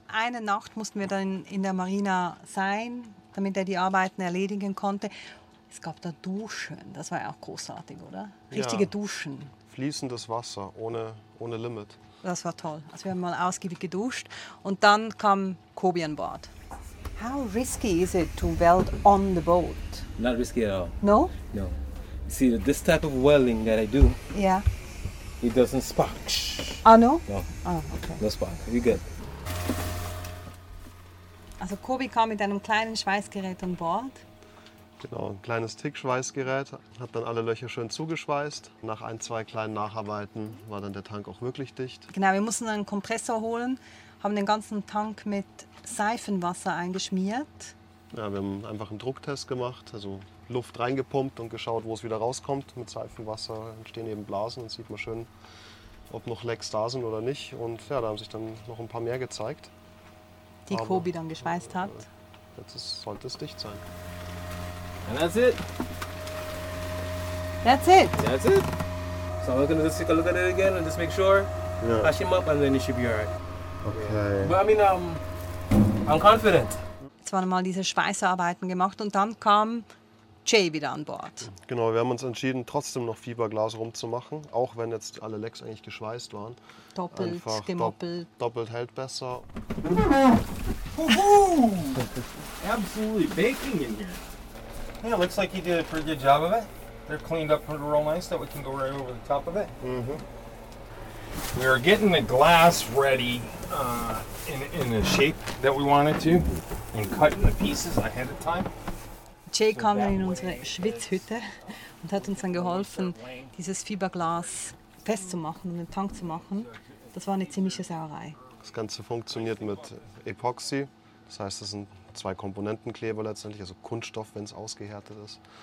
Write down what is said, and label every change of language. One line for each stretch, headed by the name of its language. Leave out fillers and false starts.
German: Eine Nacht mussten wir dann in der Marina sein, damit er die Arbeiten erledigen konnte. Es gab da Duschen, das war ja auch großartig, oder? Richtige, ja, Duschen. Fließendes Wasser, ohne Limit. Das war toll. Also wir haben mal ausgiebig geduscht und dann kam Kobi an Bord.
English: How risky is it to weld on the boat? Not risky at all. No? No. See, this type of welding that I do, yeah, it doesn't spark. Oh, no? No. Oh, okay. No spark. You good.
German: Also Kobi kam mit einem kleinen Schweißgerät an Bord. Genau, ein kleines Tick-Schweißgerät, hat dann alle Löcher schön zugeschweißt. Nach 1-2 kleinen Nacharbeiten war dann der Tank auch wirklich dicht. Genau, wir mussten einen Kompressor holen, haben den ganzen Tank mit Seifenwasser eingeschmiert. Ja, wir haben einfach einen Drucktest gemacht, also Luft reingepumpt und geschaut, wo es wieder rauskommt. Mit Seifenwasser entstehen eben Blasen und sieht man schön, ob noch Lecks da sind oder nicht. Und ja, da haben sich dann noch ein paar mehr gezeigt. Die Kobi dann geschweißt hat. Jetzt sollte es dicht sein.
English: And that's it. That's it. That's it. So we're gonna just take a look at it again and just make sure. Yeah. Patch him up and then it should be alright. Okay. But I mean, I'm confident.
German: Jetzt waren mal diese Schweißarbeiten gemacht und dann kam Jay wieder an Bord. Genau, wir haben uns entschieden, trotzdem noch Fiberglas rumzumachen, auch wenn jetzt alle Lecks eigentlich geschweißt waren. Doppelt, einfach gemoppelt. Doppelt hält besser.
English: Absolutely baking in here. Yeah, it looks like he did a pretty good job of it. They're cleaned up real nice, that we can go right over the top of it. Mm-hmm. We are getting the glass ready in the shape that we wanted to and cutting the pieces ahead of time.
German: Jay kam dann in unsere Schwitzhütte und hat uns dann geholfen, dieses Fiberglas festzumachen und den Tank zu machen. Das war eine ziemliche Sauerei. Das Ganze funktioniert mit Epoxy. Das heißt, das sind 2 Komponentenkleber letztendlich, also Kunststoff, wenn es ausgehärtet ist.